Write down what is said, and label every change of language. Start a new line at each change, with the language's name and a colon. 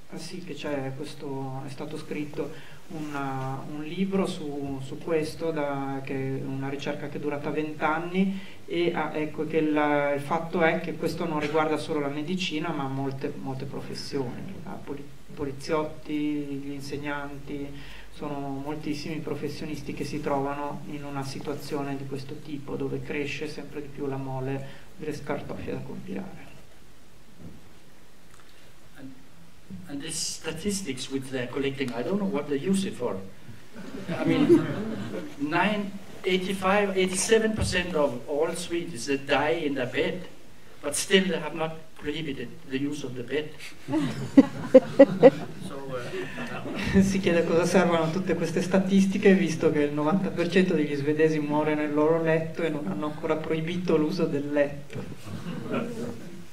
Italian: Ah sì, che c'è questo, è stato scritto un libro su questo, che è una ricerca che è durata 20 anni, e ecco che il fatto è che questo non riguarda solo la medicina, ma molte professioni. Poliziotti, gli insegnanti, sono moltissimi professionisti che si trovano in una situazione di questo tipo, dove cresce sempre di più la mole delle scartoffie da compilare.
English: And the statistics which they're collecting, I don't know what they use it for. I mean, 85-87% of all Swedes that die in their bed, but still they have not prohibited the use of the bed.
Italian: Si chiede a cosa servono tutte queste statistiche, visto che il 90% degli svedesi muore nel loro letto e non hanno ancora proibito l'uso del letto.